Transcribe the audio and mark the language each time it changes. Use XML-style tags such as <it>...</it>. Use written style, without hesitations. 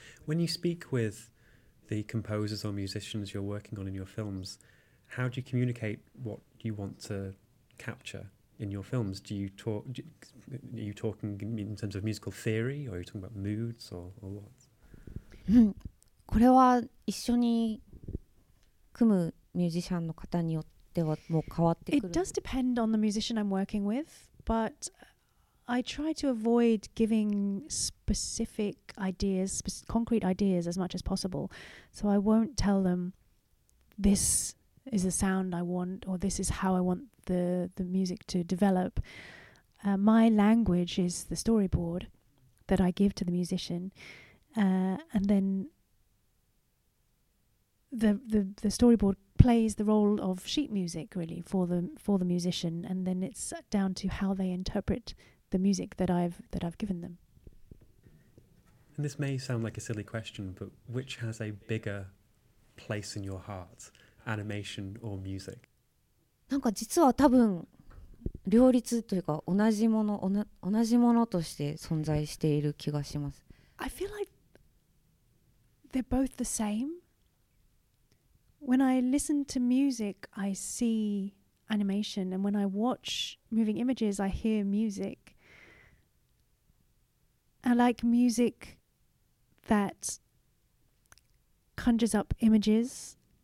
<en>When you speak with the composers or musicians you're working on in your films, how do you communicate what you want to capture in your films? Are you talking in terms of musical theory, or are you talking about moods, or what?</en> <ja>これは一緒に組むミュージシャンの方によってはもう変わってくる。</ja> <en>It does depend on the musician I'm working with, but I try to avoid giving specific ideas, concrete ideas as much as possible. So I won't tell them this is the sound I want, or this is how I want the music to develop. My language is the storyboard that I give to the musician, and then the storyboard plays the role of sheet music, really, for the musician, and then it's down to how they interpret the music that I've given them. And this may sound like a silly question, but which has a bigger place in your heart, animation or music?</en> <ja>なんか実は多分両立というか同じものとして存在している気がします。</ja> <en>I feel like they're both the same. When I listen to music, I see animation, and when I watch moving images, I hear music. I like music that conjures up images.</en>